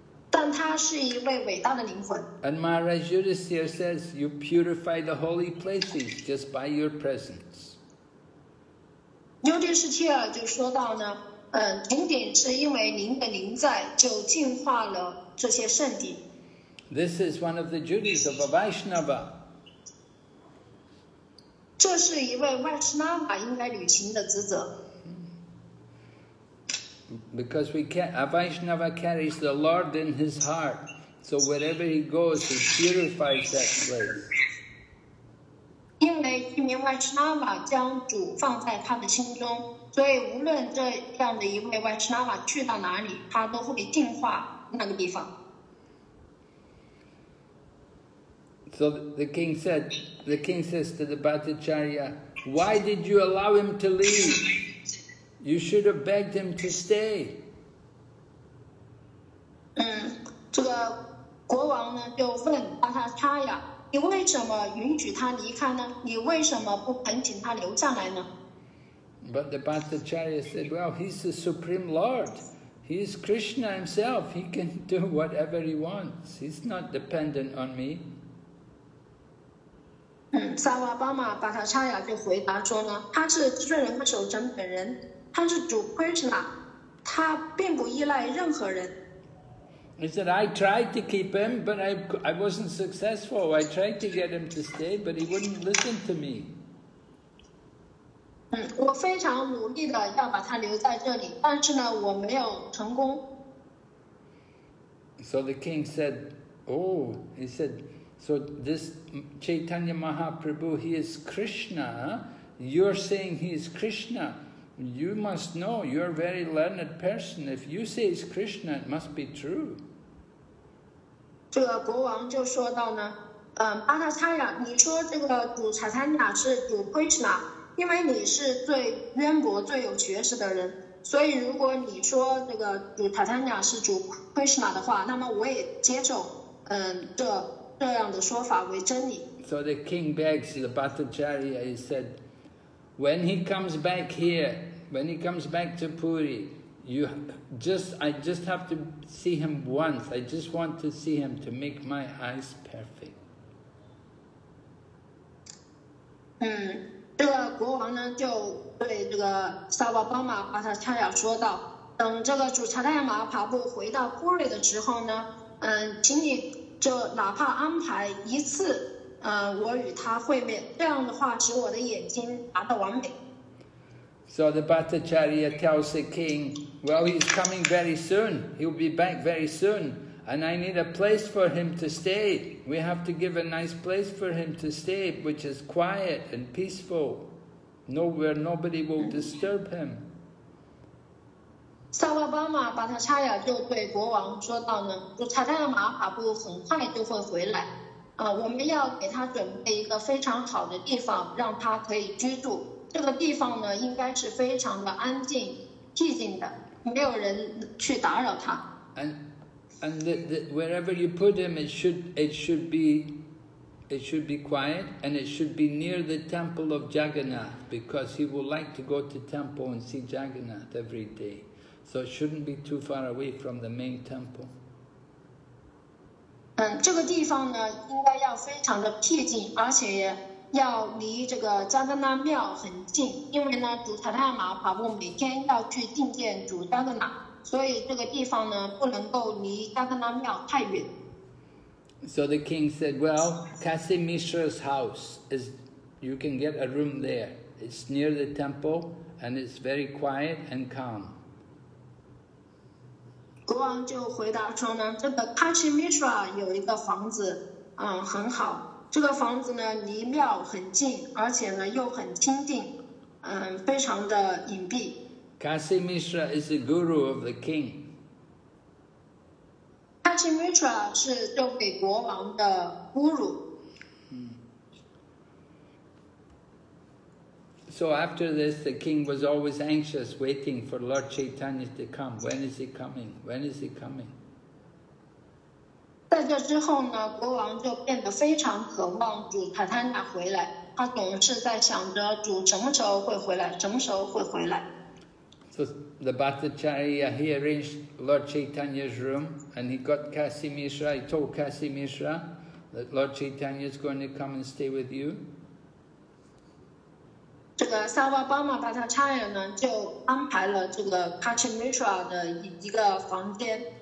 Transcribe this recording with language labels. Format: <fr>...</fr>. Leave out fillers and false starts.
<zh>但他是一位伟大的灵魂。</zh> <en>And Maharaj Yudhisthira says, you purify the holy places just by your presence.</en> <zh>尤迪士提尔就说到呢，仅仅是因为您的灵在，就净化了这些圣地。</zh> <en>This is one of the duties of a Vaishnava.</en> <zh>这是一位 Vaishnava 应该履行的职责。</zh> <en>Because a Vaishnava carries the Lord in his heart, so wherever he goes, he purifies that place.</en> <zh>因为一名 Vaishnava 将主放在他的心中，所以无论这样的一位 Vaishnava 去到哪里，他都会净化那个地方。</zh> <en>So the king says to the Bhattacharya, why did you allow him to leave? You should have begged him to stay.</en> <zh>这个国王呢就问巴塔查亚。你为什么允许他离开呢？你为什么不恳请他留下来呢？</zh> <en>But the Bhattacharya said, well, he's the Supreme Lord. He's Krishna himself. He can do whatever he wants. He's not dependent on me.</en> <zh>萨瓦巴玛巴塔查亚就回答说呢，他是智睡人和守贞本人，他是主 Krishna， 他并不依赖任何人。</zh> <en>He said, I tried to keep him, but I wasn't successful. I tried to get him to stay, but he wouldn't listen to me.</en> <zh>我非常努力的要把他留在这里，但是呢，我没有成功。</zh> <en>So the king said, oh, he said, so this Chaitanya Mahaprabhu, he is Krishna. You're saying he is Krishna. You must know, you're a very learned person. If you say he's Krishna, it must be true.</en> <zh>这个国王就说到呢，巴塔查亚，你说这个主查坦亚是主 Krishna， 因为你是最渊博、最有学识的人。所以，如果你说这个主塔坦雅是主 Krishna 的话，那么我也接受，这样的说法为真理。</zh> <en>So the king begs the Bhattacharya. He said, "When he comes back here, when he comes back to Puri, I just have to see him once. I just want to see him to make my eyes perfect."</en> <zh>这个国王呢，就对这个萨瓦巴玛巴塔恰雅说道：“等这个主查塔亚马哈帕布回到库里的时候呢，请你就哪怕安排一次，我与他会面，这样的话使我的眼睛达到完美。”</zh> <en>So the Bhattacharya tells the king, "Well, he's coming very soon. He'll be back very soon, and I need a place for him to stay. We have to give a nice place for him to stay, which is quiet and peaceful." No, where nobody will disturb him.</en> <zh>萨瓦巴玛巴塔查亚就对国王说道呢，主查塔亚马哈帕布很快就会回来，我们要给他准备一个非常好的地方，让他可以居住。这个地方呢，应该是非常的安静、寂静的，没有人去打扰他。</zh> <en>And wherever you put him, it should be quiet, and it should be near the temple of Jagannath, because he will like to go to temple and see Jagannath every day. So it shouldn't be too far away from the main temple.</en> <zh>这个地方呢，应该要非常的僻静，而且要离这个加格纳庙很近，因为呢，主查塔马法布每天要去觐见主加格纳，所以这个地方呢，不能够离加格纳庙太远。</zh> <en>So the king said, "Well, Kasimishra's house is, you can get a room there. It's near the temple and it's very quiet and calm."</en> <zh>国王就回答说呢，这个 Kasimishra 有一个房子，很好。这个房子呢，离庙很近，而且呢又很清静，非常的隐蔽。</zh> <en>Kasimishra is the guru of the king.</en> <zh>Kasimishra 是这位国王的侮辱。</zh> <en>So after this, the king was always anxious, waiting for Lord Chaitanya to come. When is he coming? When is he coming?</en> <zh>在这之后呢，国王就变得非常渴望主塔坦雅回来。他总是在想着主什么时候会回来，什么时候会回来。</zh> <en>So the Bhattacharya, he arranged Lord Chaitanya's room, and he got Kasimishra, he told Kasimishra that Lord Chaitanya is going to come and stay with you.</en> <zh>这个萨瓦巴玛巴塔查亚呢，就安排了这个 Kasimishra 的一个房间。</zh>